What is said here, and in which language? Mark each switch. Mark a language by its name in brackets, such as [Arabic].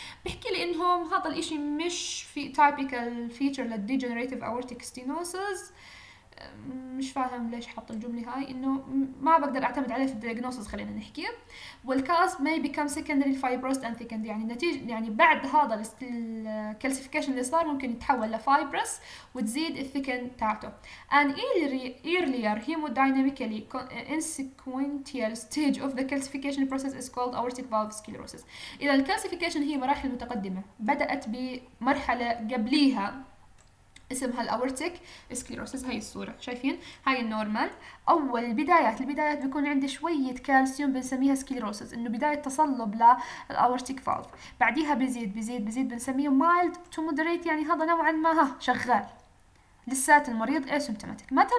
[Arabic] بحكي لي انهم هذا الاشي مش في typical feature للdegenerative aortic stenosis، مش فاهم ليش حط الجملة هاي، انه ما بقدر اعتمد عليه في الdiagnosis خلينا نحكي. والكاس [English] may become secondary fibrous and thickened، [Arabic] يعني نتيجة يعني بعد هذا الكالسيفيكيشن اللي صار ممكن يتحول لفايبروس وتزيد الثيكن تاعته. [English] and earlier hemodynamically inconsequential stage of the calcification process is called aortic valve sclerosis. [Arabic] إذا الكالسيفيكيشن هي مراحل متقدمة، بدأت بمرحلة قبليها اسمها الاورتيك سكليروسس. هاي الصوره شايفين هاي النورمال، اول بدايات البدايات بيكون عندي شويه كالسيوم بنسميها سكليروسس، انه بدايه تصلب للاورتيك فالف، بعديها بيزيد بيزيد بيزيد بنسميه مايلد تو مودريت، يعني هذا نوعا ما شغال لسات المريض اسيمبتوماتيك.